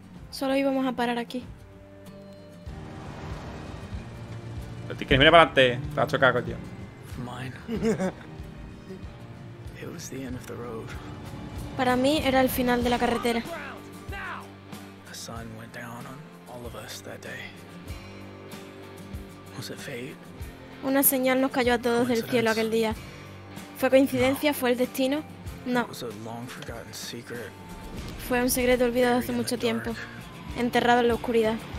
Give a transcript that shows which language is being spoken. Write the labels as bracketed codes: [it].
[es] Solo íbamos a parar aquí. Pero tienes que mirar para adelante. Te has chocado, tío. [en] Mine. It was the end of the road. [es] Para mí era el final de la carretera. [en] The sun went down on all of us that day. Was it fate? [es] Una señal nos cayó a todos del cielo aquel día. ¿Fue coincidencia? ¿Fue el destino? No. [en] It was a long forgotten secret. [es] Fue un secreto olvidado hace mucho tiempo, enterrado en la oscuridad.